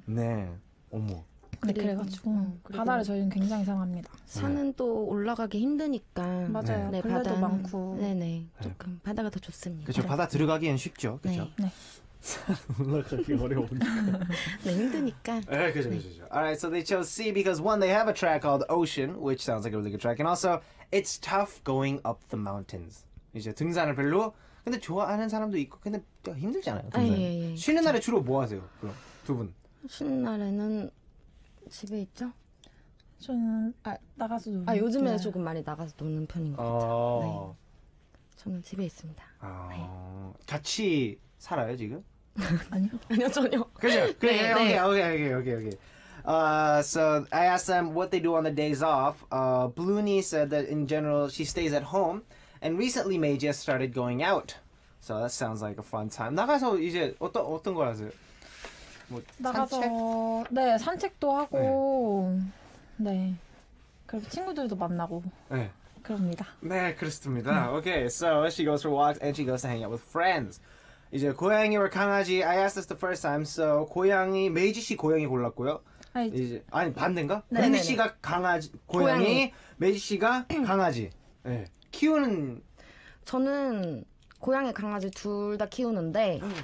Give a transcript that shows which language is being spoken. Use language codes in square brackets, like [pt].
[ko] 네. 어머. 네, 그래가지고 바다를 저희는 굉장히 사랑합니다. 산은 네. 또 올라가기 힘드니까 맞아요. 네, 네, 벌레도 바다는, 많고 네네 조금 네. 바다가 더 좋습니다. 그렇죠. 바다 들어가기엔 쉽죠. 그렇죠. 네. 산 올라가기 어려우니까 네 힘드니까. 네 그렇죠 그렇죠. [en] Alright, so they chose sea because one, they have a track called Ocean, which sounds like a really good track, and also it's tough going up the mountains. [ko] 이제 등산을 별로 근데 좋아하는 사람도 있고 근데 힘들잖아요. 등산. 아, 예, 예. 쉬는 날에 주로 뭐 하세요? 그럼 두 분. 쉬는 날에는 집에 있죠? 저는 아 나가서 노는 아 요즘에는 네. 조금 많이 나가서 노는 편인 것 같아요. 네. 저는 집에 있습니다. 아 네. 같이 살아요 지금? 아니요 아니요 전혀. 그렇죠. 네, 네. 오케이 오케이 오케이 오케이 오케이. [en] So I asked them what they do on the days off. Bluni said that in general she stays at home, and recently May just started going out. So that sounds like a fun time. [ko] 나가서 이제 어떤 걸 하세요? 뭐 나가서 산책? 네 산책도 하고 네, 네. 그리고 친구들도 만나고 네 그럽니다. 네 그렇습니다. 네. [en] Okay, so she goes for walks and she goes to hang out with friends. [ko] 이제 고양이 or 강아지. [en] I asked this the first time. [ko] So 고양이 메이지 씨 고양이 골랐고요. 아니, 이제 아니 반대인가? 네, 은희 씨가 강아지 고양이 메이지 씨가 강아지. 네 키우는 저는 고양이 강아지 둘 다 키우는데.